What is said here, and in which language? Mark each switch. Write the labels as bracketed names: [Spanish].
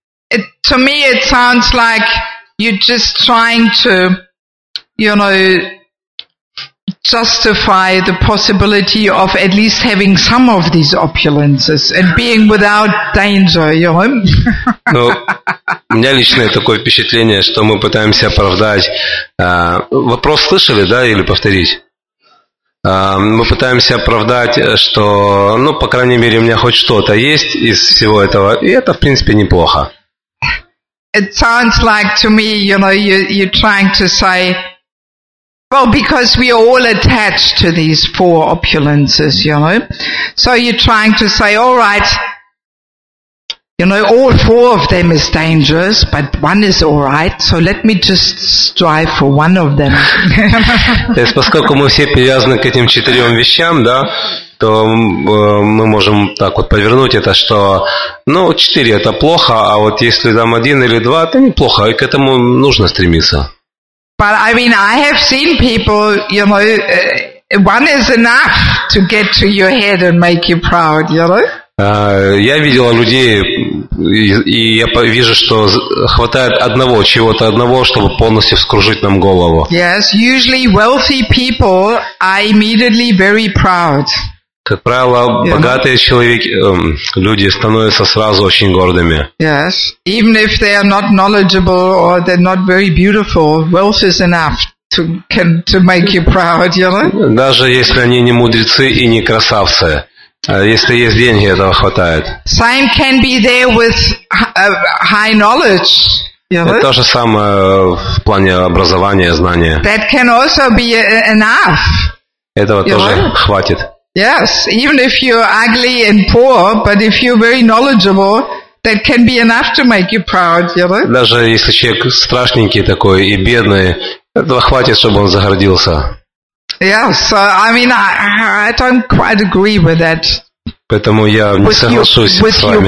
[English] It, to me, it sounds like you're just trying to, you know, justify the possibility of at least having some of these opulences and being without danger, you know? [Russian] Ну, у меня личное такое впечатление, что мы пытаемся оправдать. Вопрос слышали, да, или повторить? Мы пытаемся оправдать, что, ну, по крайней мере, у меня хоть что-то есть из всего этого, и это, в принципе, неплохо. [English] It sounds like to me, you know, you're trying to say, well, because we are all attached to these four opulences, you know, so you're trying to say, all right, you know, all four of them is dangerous, but one is all right, so let me just strive for one of them. [Russian] То есть, поскольку мы все привязаны к этим четырем вещам, да, то мы можем так вот повернуть это, что, ну, четыре – это плохо, а вот если там один или два – это неплохо, и к этому нужно стремиться. [English] But I mean, I have seen people, you know, one is enough to get to your head and make you proud, you know? [Russian] Я видела людей, и я вижу, что хватает одного, чего-то одного, чтобы полностью вскружить нам голову. [English] Yes, usually wealthy people are immediately very proud. [Russian] Как правило, богатые человек, люди становятся сразу очень гордыми. [English] Yes, even if they are not knowledgeable or they're not very beautiful, wealth is enough to make you proud, you know? [Russian] Даже если они не мудрецы и не красавцы. Если есть деньги, этого хватает. [English] Same can be there with high knowledge. [Russian] Это то же самое в плане образования, знания. [English] That can also be enough. [Russian] Этого тоже хватит. [English] Yes, even if you're ugly and poor, but if you're very knowledgeable, that can be enough to make you proud. [Russian] Даже если человек страшненький такой и бедный, этого хватит, чтобы он загордился. [English] Yeah, so I mean I don't quite agree with that. [Russian] Поэтому я не соглашусь с вами.